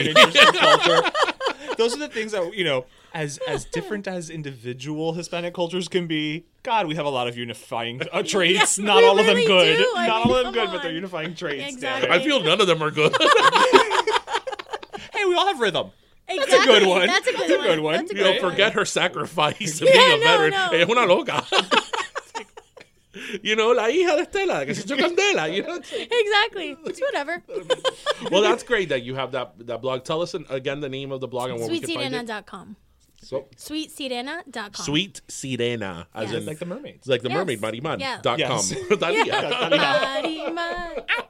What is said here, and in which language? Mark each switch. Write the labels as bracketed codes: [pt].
[en] An interesting culture. Those are the things that, you know, as different as individual Hispanic cultures can be, God, we have a lot of unifying traits. Yes, not all of them really good. Do. Not I mean, all of them good, on. But they're unifying traits. Exactly. I feel none of them are good. Hey, we all have rhythm. Exactly. That's a good one. That's a good one. That's a good one. You know, forget her sacrifice of being a veteran. No. [es] Hey, una loca. [en] You know, [es] la hija de Estela, que se echó candela. [en] You know? Exactly. It's whatever. Well, that's great that you have that blog. Tell us again the name of the blog and where we can find it. SweetSirena.com. SweetSirena.com. Sweet Sirena. As in, like the mermaid. Like the mermaid, Mariman. Yeah. .com. Mariman.